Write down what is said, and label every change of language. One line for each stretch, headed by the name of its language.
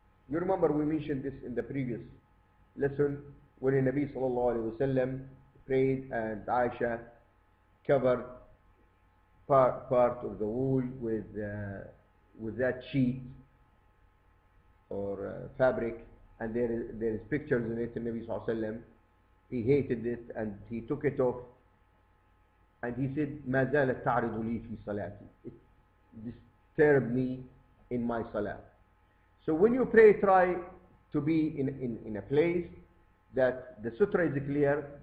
English: You remember we mentioned this in the previous lesson when the Nabi sallallahu alayhi wa sallam prayed and Aisha covered part of the wool with that sheet or fabric, and there is pictures in it. The Nabi sallallahu alayhi wa sallam, he hated it and he took it off. And he said,
Arabic: "ما زالت تعرض لي في صلاتي."
English: It disturbed me in my salah. So when you pray, try to be in a place that the sutra is clear.